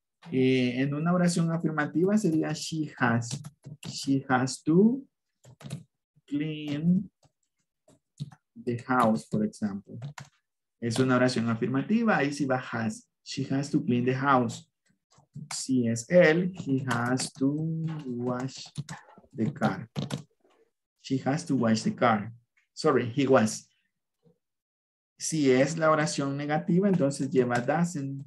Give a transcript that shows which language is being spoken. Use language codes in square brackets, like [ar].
[es] En una oración afirmativa sería [en] she has. She has to clean the house, [es] por ejemplo. Es una oración afirmativa, ahí sí va has. [en] She has to clean the house. [es] Si es él, [en] he has to wash the car. She has to wash the car. Sorry, he was. [es] Si es la oración negativa, entonces lleva doesn't.